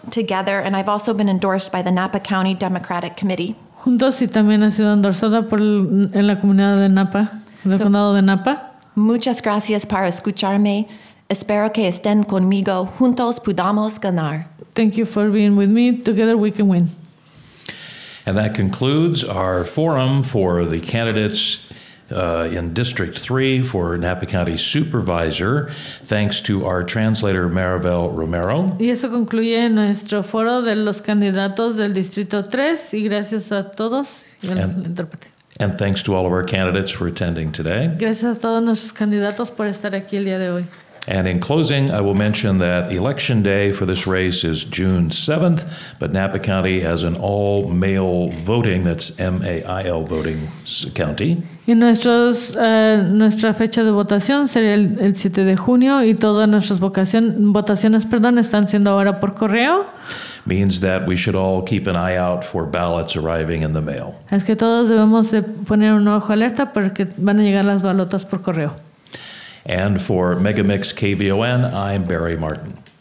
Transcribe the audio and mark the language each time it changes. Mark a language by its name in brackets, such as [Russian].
[English] Together, and I've also been endorsed by the Napa County Democratic Committee. [Spanish] Juntos y también ha sido endorsada en la comunidad de Napa, del condado de Napa. Muchas gracias por escucharme. Espero que estén conmigo. Juntos podamos ganar. [English] Thank you for being with me. Together we can win. And that concludes our forum for the candidates in District 3 for Napa County Supervisor, thanks to our translator, Maribel Romero. [Spanish] Y eso concluye nuestro foro de los candidatos del Distrito 3, y gracias a todos y al intérprete. [English] And thanks to all of our candidates for attending today. [Spanish] Gracias a todos nuestros candidatos por estar aquí el día de hoy. [English] And in closing, I will mention that election day for this race is June 7th, but Napa County has an all-male voting, that's M-A-I-L voting county. [Spanish] Y nuestra fecha de votación sería el 7 de junio, y todas nuestras votaciones, están siendo ahora por correo. [English] Means that we should all keep an eye out for ballots arriving in the mail. [Spanish] Es que todos debemos de poner un ojo alerta porque van a llegar las balotas por correo. [English] And for Megamix KVON, I'm Barry Martin.